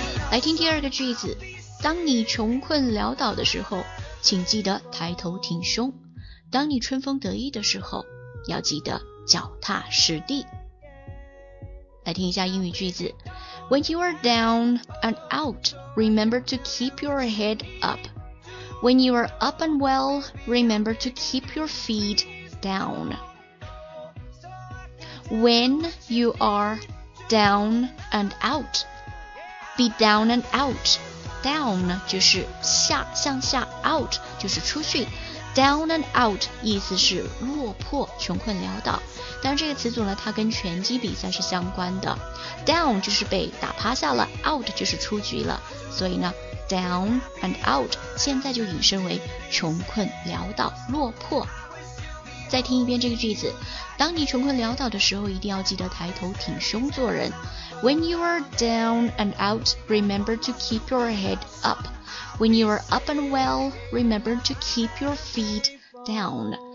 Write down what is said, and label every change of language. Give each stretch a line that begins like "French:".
Chinese: 来听第二个句子，当你穷困潦倒的时候，请记得抬头挺胸，当你春风得意的时候，要记得脚踏实地。来听一下英语句子，
English: When you are down and out, remember to keep your head up. When you are up and well, remember to keep your feet down. When you are down and out, be down and out.
Chinese: Down 就是下，向下 ，out 就是出去 ，down and out 意思是落魄、穷困潦倒。当然，这个词组呢，它跟拳击比赛是相关的。 Down 就是被打趴下了 ，out 就是出局了。所以呢 ，down and out 现在就引申为穷困潦倒、落魄。再听一遍这个句子，当你穷困潦倒的时候，一定要记得抬头挺胸做人。
English: When you are down and out, remember to keep your head up. When you are up and well, remember to keep your feet down.